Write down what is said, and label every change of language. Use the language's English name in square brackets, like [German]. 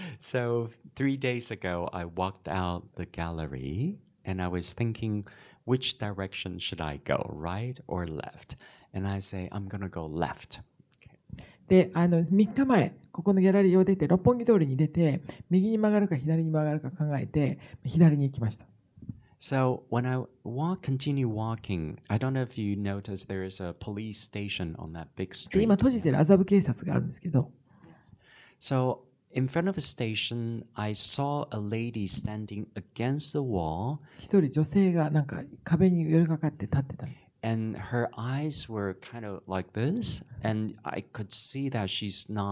[English] So 3 days ago, I walked out the gallery and I was thinking, which direction should I go, right or left? And I say, I'm going to go left. [Japanese] で、あの、3日前、ここのギャラリーを出て、六本木通りに出て、右に曲がるか左に曲がるか考えて、左に行きました。 [English] So when I walk, continue walking, I don't know if you notice there is a police station on that big street. [Japanese] 今閉じてる麻布警察があるんですけど。 [English] So in front of the station, I saw a lady standing against the wall. [Japanese] 一人女性がなんか壁に寄りかかって立ってたんです。 [English] And her eyes were kind of like this, and I could see that she's